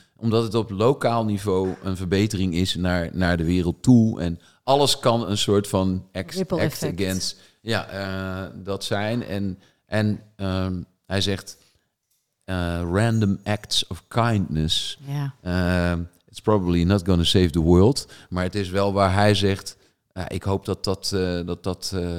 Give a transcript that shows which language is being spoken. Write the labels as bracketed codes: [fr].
[nl] Omdat het op lokaal niveau een verbetering is naar de wereld toe. En alles kan een soort van [en] act against [nl] dat zijn. En hij zegt [en] random acts of kindness. Yeah. It's probably not going to save the world. [nl] Maar het is wel waar hij zegt, ik hoop dat dat